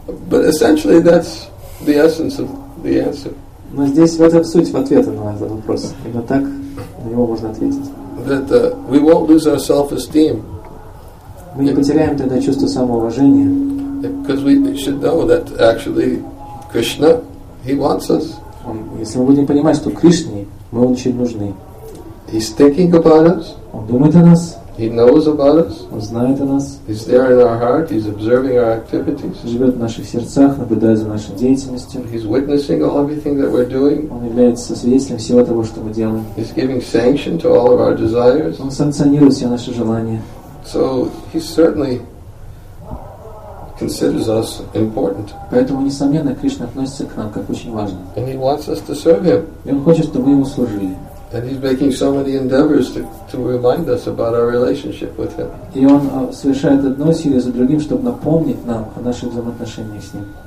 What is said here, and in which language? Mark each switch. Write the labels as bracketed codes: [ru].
[en] But essentially, that's the essence of the answer. [ru] Но здесь в этом суть в ответа на этот вопрос. Именно так на него можно ответить. [en] That we won't lose our self-esteem. [ru] Мы не потеряем тогда чувство самоуважения. [en] Because we should know that actually Krishna, he wants us. [ru] Если мы будем понимать, что Кришне мы очень нужны. [en] He's thinking about us. [ru] Он думает о нас. [en] He knows about us. [ru] Он знает о нас. [en] He's there in our heart. He's observing our activities. [ru] Живет в наших сердцах, наблюдает за нашей деятельностью. [en] He's witnessing all everything that we're doing. [ru] Он является свидетелем всего того, что мы делаем. [en] He's giving sanction to all of our desires. [ru] Он санкционирует все наши желания. [en] So he certainly considers us important. [ru] Поэтому несомненно Кришна относится к нам как очень важно. [en] And he wants us to serve him. [ru] И он хочет, чтобы мы ему служили. [en] And he's making so many endeavors to remind us about our relationship with him. [ru] И он совершает одно усилие за другим, чтобы напомнить нам о наших взаимоотношениях с ним.